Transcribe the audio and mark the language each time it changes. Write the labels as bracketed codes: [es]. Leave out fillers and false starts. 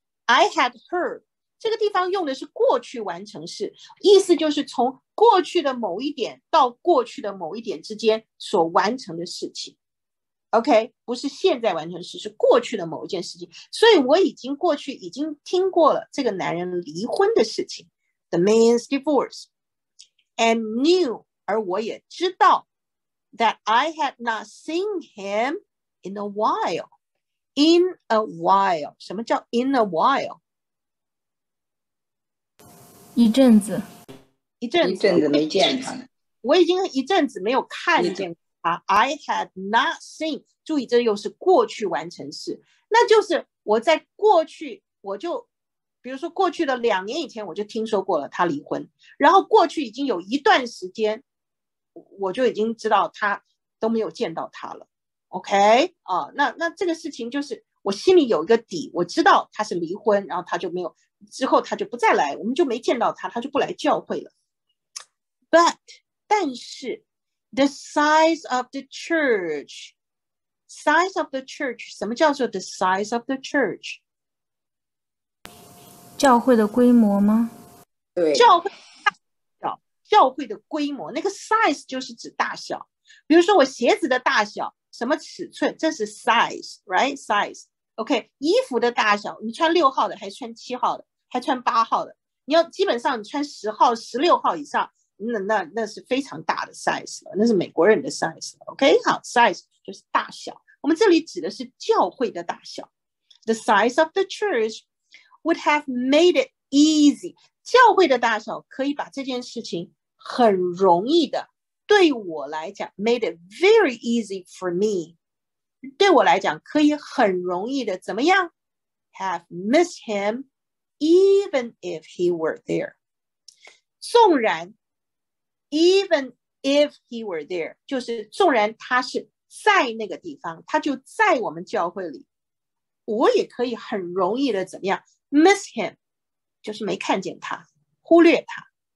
[en] I had heard, [zh] 这个地方用的是过去完成式，意思就是从过去的某一点到过去的某一点之间所完成的事情。 OK, 不是现在完成式，是过去的某一件事情。所以我已经过去已经听过了这个男人离婚的事情。 [en] The man's divorce, and knew, [zh] 而我也知道 [en] that I had not seen him in a while. In a while, [zh] 什么叫 [en] in a while? [zh] 一阵子，一阵子，一阵子没见他了。我已经一阵子没有看见他。 [en] I had not seen. [zh] 注意，这又是过去完成式，那就是我在过去我就。比如说过去的两年以前我就听说过了他离婚，然后过去已经有一段时间我就已经知道他都没有见到他了。 OK、那这个事情就是我心里有一个底，我知道他是离婚，然后他就没有，之后他就不再来，我们就没见到他，他就不来教会了。 [en] But [zh] 但是 [en] The size of the church, size of the church, [zh] 什么叫做 [en] the size of the church? [zh] 教会的规模吗？对，教会的规模，那个 size 就是指大小。比如说我鞋子的大小，什么尺寸，这是 size, right? Size. OK, 衣服的大小，你穿6号的还穿7号的还穿8号的，你要基本上你穿10号16号以上，那是非常大的 size 了，那是美国人的 size 了。 OK, 好， size 就是大小，我们这里指的是教会的大小。 [en] The size of the churchwould have made it easy. [zh] 教会的大小可以把这件事情很容易的，对我来讲 [en] made it very easy for me. [zh] 对我来讲可以很容易的怎么样 [en] have missed him even if he were there， [zh] 纵然 [en] even if he were there [zh] 就是纵然他是在那个地方，他就在我们教会里，我也可以很容易的怎么样 [en] miss him， [zh] 就是没看见他，忽略他，